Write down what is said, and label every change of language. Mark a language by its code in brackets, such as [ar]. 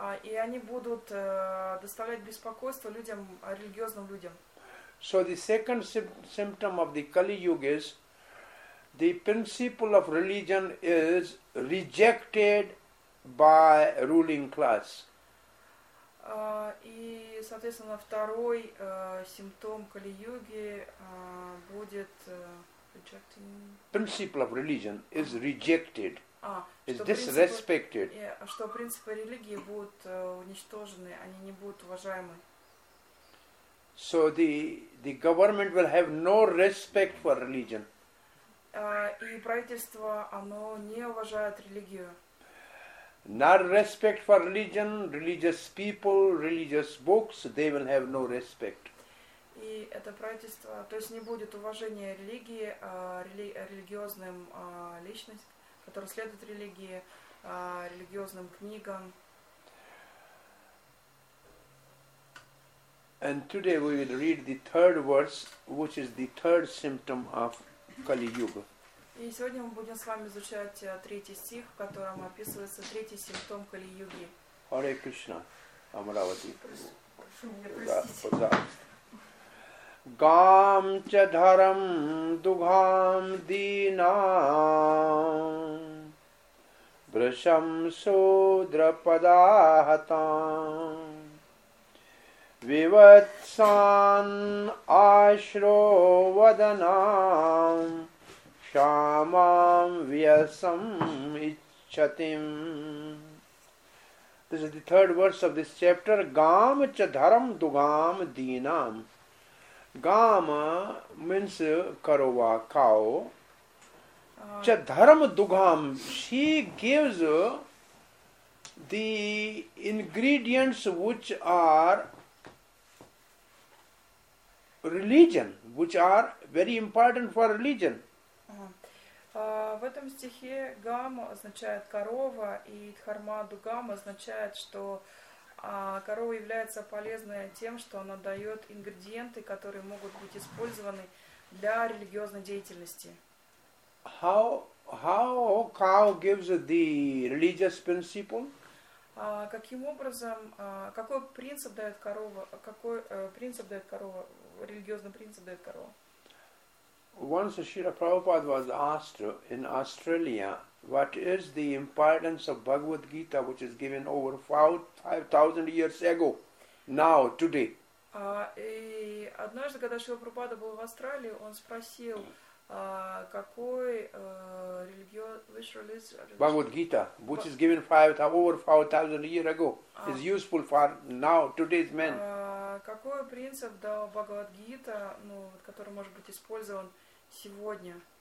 [ru] И они будут доставлять беспокойство людям, религиозным людям. [en] So the second symptom of the Kali Yuga is the principle of religion is rejected by ruling class. [ru] И, соответственно, второй симптом Кали-юги будет rejecting. [en] Principle of religion is rejected. Is disrespected. [ru] Что принципы религии будут уничтожены, они не будут уважаемы. [en] So the government will have no respect for religion. [ru] И правительство, оно не уважает религию. [en] nor respect for religion, religious people, religious books, they will have no respect. [ru] И это правительство, то есть не будет уважения религии, религиозным личностям, которые следуют религии, религиозным книгам. [en] And today we will read the third verse, which is the third symptom of Kali Yuga. [ru] И сегодня мы будем с вами изучать третий стих, в котором описывается третий симптом Кали Юги. Харе Кришна, Амаравати. Прошу меня простить. [sa] Гам ча дхарам дугам динам брашам шудра падахатам виватсан ашро ваданам шамам вьясам иччатим. [en] This is the third verse of this chapter. [sa] Гам ча дхарам дугам динам. [en] Gama means karova, cow. [sa] Cha dharma dugham, [en] she gives the ingredients which are religion, which are very important for religion. [ru] В этом стихе гама означает корова, и дхарма дугам означает, что а корова является полезной тем, что она дает ингредиенты, которые могут быть использованы для религиозной деятельности. [en] How cow gives the religious principle? [ru] Каким образом, какой принцип дает корова, какой принцип дает корова, религиозный принцип дает корова? [en] Once Srila Prabhupada was asked in Australia, what is the importance of Bhagavad Gita, which is given over 5,000 years ago, now, today? [ru] Однажды, когда Шрила Прабхупада был в Австралии, он спросил, какой религиозный... [en] Bhagavad Gita, which is given over 5,000 years ago, is useful for now, today's men. [ru] Какой принцип дал Бхагавад Гита, который может быть использован сегодня?